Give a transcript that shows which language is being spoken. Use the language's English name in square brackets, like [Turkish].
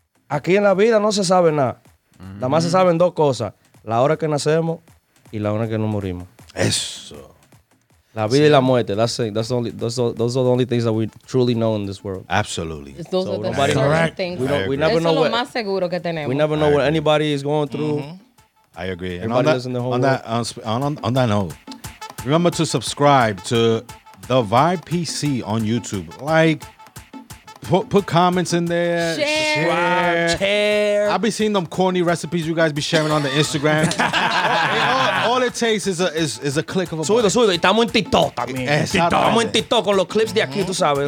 [Spanish] Aquí en la vida no se sabe nada. Mm-hmm. Nada más se saben dos cosas. La hora que nacemos y la hora que nos morimos. Eso. La vida y la muerte. [English] Those are the only things that we truly know in this world. Absolutely. We never know what anybody is going through. Mm-hmm. I agree. Everybody lives in the whole world. On that note, remember to subscribe to The Vibe PC on YouTube. Like, Put comments in there. Share. I'll be seeing them corny recipes you guys be sharing on the Instagram. all it takes is a click of a button. [Spanish] Suido. Estamos en TikTok también. Estamos en TikTok con los clips de aquí, tú sabes.